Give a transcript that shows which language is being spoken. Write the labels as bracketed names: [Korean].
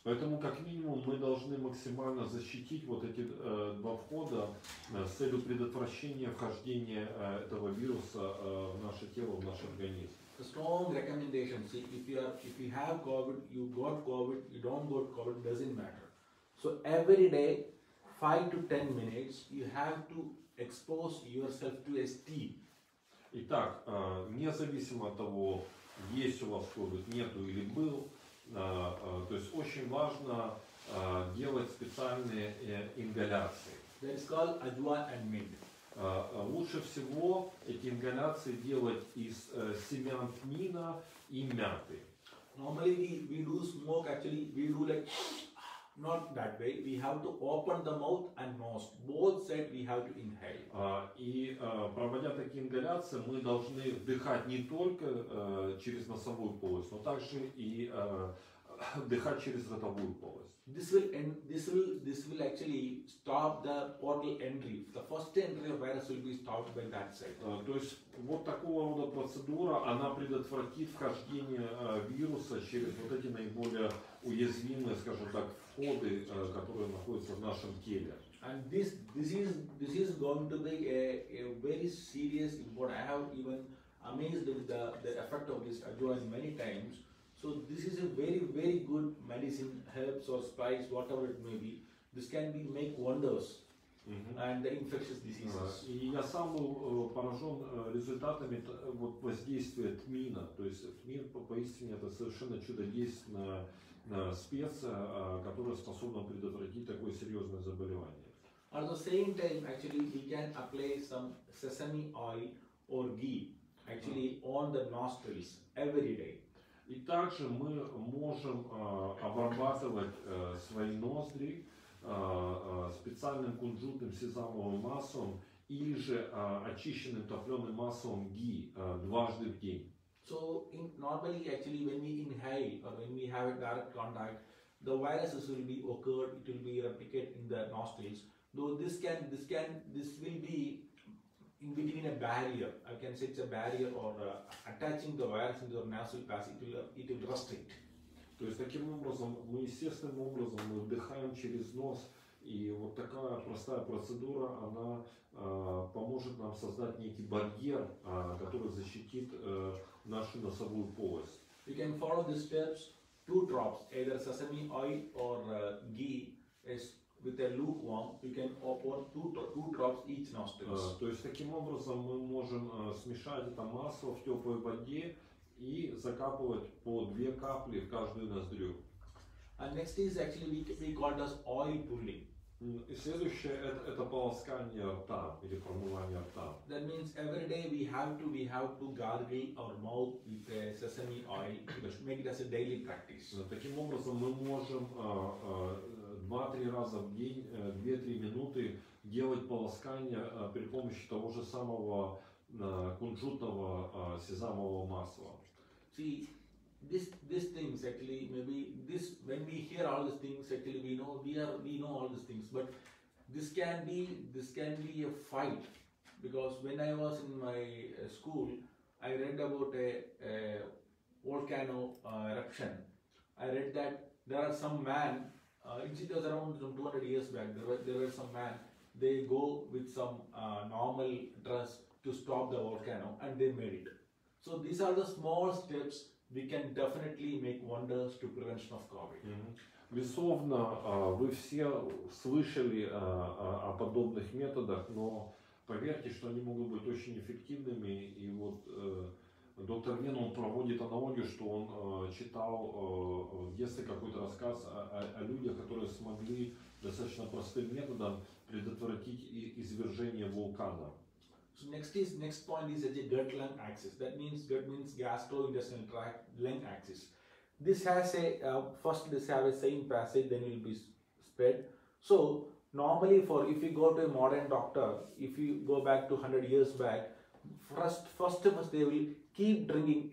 [Russian] Поэтому как минимум мы должны максимально защитить вот эти два входа с целью предотвращения вхождения этого вируса в наше тело, в наш организм. [English] A strong recommendation: see, if you have COVID, you got COVID, you don't got COVID, doesn't matter. So every day, 5 to 10 minutes, you have to expose yourself to a steam. [Russian] Итак, независимо от того, есть у вас COVID, нету или был. То есть очень важно делать специальные ингаляции. [English] That is called adwan and mint. [Russian] Лучше всего эти ингаляции делать из семян тмина и мяты. [English] Normally we do smoke, actually we do like not that way. We have to open the mouth and nose. Both sides we have to inhale. [Russian] Проводя такие ингаляции, мы должны вдыхать не только через носовую полость, но также и вдыхать через ротовую полость. [English] This will actually stop the portal entry. The first entry of virus will be stopped by that side. [Russian] То есть вот такого рода процедура, она предотвратит вхождение вируса через вот эти наиболее уязвимые, скажем так, входы, которые находятся в нашем теле. [English] And this is going to be a very serious important. I have even amazed with the effect of this adjuvant many times. So this is a very, very good medicine, herbs or spice, whatever it may be. This can be make wonders and the infectious diseases. [Russian] И я сам был поражен результатами вот воздействия тмина. То есть тмин поистине это совершенно чудодейственная специя, которая способна предотвратить такое серьезное заболевание. [English] At the same time, actually, we can apply some sesame oil or ghee, actually, on the nostrils every day. [Russian] И также мы можем обрабатывать свои ноздри специальным кунжутным сезамовым маслом или же очищенным топленым маслом ги дважды в день. [English] So normally actually when we inhale or when we have a direct contact, the viruses will be occurred, it will be replicated in the nostrils. Though this will be in between a barrier, I can say it's a barrier or attaching the virus into your nasal passage, it will restrict. [Russian] То есть таким образом, мы естественным образом мы вдыхаем через нос, и вот такая простая процедура, она поможет нам создать некий барьер, который защитит нашу носовую полость. [English] You can follow these steps, two drops, either sesame oil or ghee, with a lukewarm, you can open two drops each nostril. [Russian] То есть таким образом мы можем смешать это масло в теплой воде и закапывать по две капли в каждую ноздрю. [English] And next is actually we call this oil pulling. [Russian] И следующее это полоскание рта или промывание рта. [English] That means every day we have to gargle our mouth with sesame oil. Make it as a daily practice. [Russian] Таким образом мы можем 2-3 раза в день, 2-3 минуты делать полоскание при помощи того же самого кунжутного сезамового масла. [English] See, these things actually, maybe this, when we hear all these things, actually we know all these things, but this can be a fight, because when I was in my school, I read about a volcano eruption. I read that there are some man. It was around 200 years back. There were some men. They go with some normal dress to stop the volcano, and they made it. So these are the small steps we can definitely make wonders to prevention of COVID. [Russian] Безусловно, вы все слышали о подобных методах, но поверьте, что они могут быть очень эффективными. И вот доктор Вин, он проводит аналогию, что он читал в детстве какой-то рассказ о людях, которые смогли достаточно простым методом предотвратить извержение вулкана. [English] So next point is the gut-lung axis. That means gut means gastrointestinal tract, lung axis. This has a first this have a same passage, then it will be spread. So normally if you go to a modern doctor, if you go back to 100 years back, first they will keep drinking.